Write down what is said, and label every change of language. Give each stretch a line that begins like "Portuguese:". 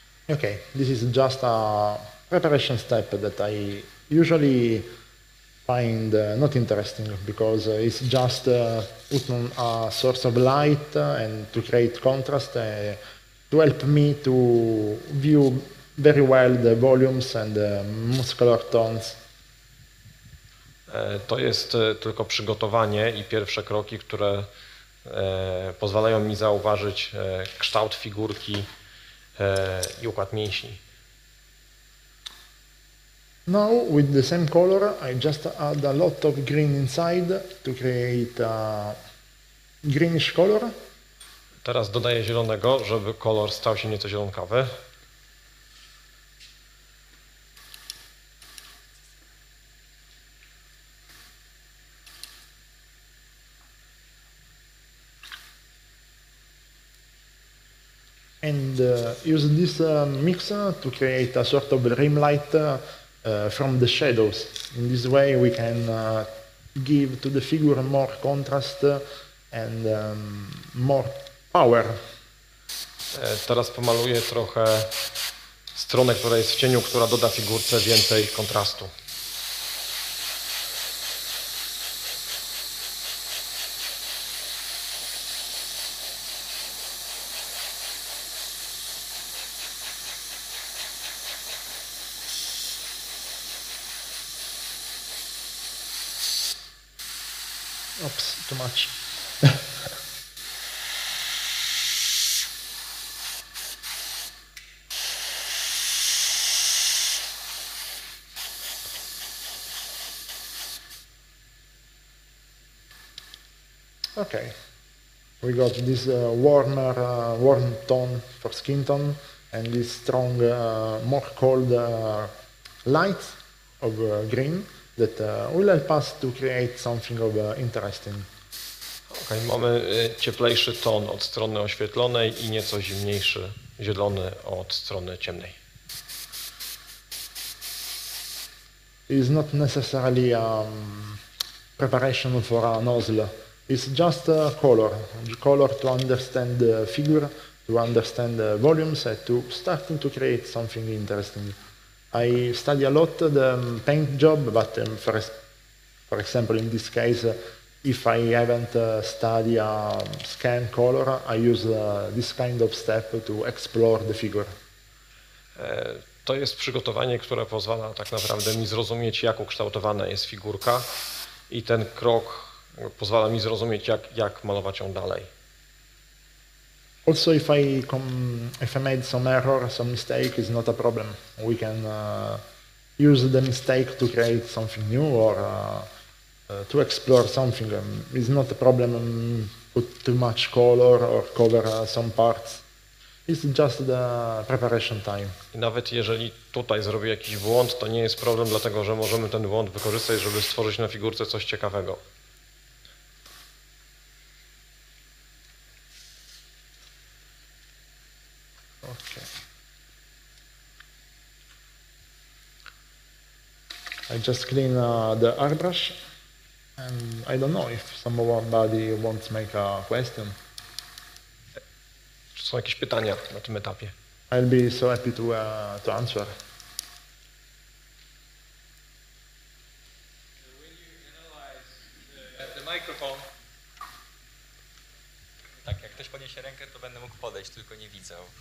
English: Okay, this is just a preparation step that I usually find not interesting because it's just putting a source of light and to create contrast to help me to view very well the volumes and the muscular tones.
Polish: To jest tylko przygotowanie i pierwsze kroki, które pozwalają mi zauważyć kształt figurki i układ mięśni.
English: Now with the same color, I just add a lot of green inside to create a greenish color.
Polish: Teraz dodaję zielonego, żeby kolor stał się nieco zielonkawy.
English: And use this mixer to create a sort of rim light from the shadows. In this way we can give to the figure more contrast and more power.
Polish: Teraz pomaluję trochę stronę, która jest w cieniu, która doda figurce więcej kontrastu.
English: Oops, too much. Okay. We got this warmer warm tone for skin tone and this strong more cold light of green. That will help us to create something of interesting.
Polish: Okay, mamy cieplejszy ton od strony oświetlonej i nieco zimniejszy zielony od strony ciemnej.
English: It's not necessarily a preparation for a nozzle. It's just a color. The color to understand the figure, to understand the volumes, and to start to create something interesting. I study a lot the paint job, but for example, in this case, if I haven't studied a scan color, I use this kind of step to explore the figure.
Polish: To jest przygotowanie, które pozwala tak naprawdę mi zrozumieć, jak ukształtowana jest figurka i ten krok pozwala mi zrozumieć, jak malować ją dalej.
English: Also, if I made some error, some mistake, it's not a problem. We can use the mistake to create something new or to explore something. It's not a problem put too much color or cover some parts. It's just the preparation time.
Polish: I nawet jeżeli tutaj zrobi jakiś błąd, to nie jest problem, dlatego że możemy ten błąd wykorzystać, żeby stworzyć na figurce coś ciekawego.
English: I just clean the airbrush, and I don't know if somebody wants to make a question.
Polish: Czy są jakieś pytania na tym etapie?
English: I'll be so happy to answer. Will you analyze the microphone?
Polish: Tak, jak ktoś podniesie rękę, to będę mógł podejść, tylko nie widzę.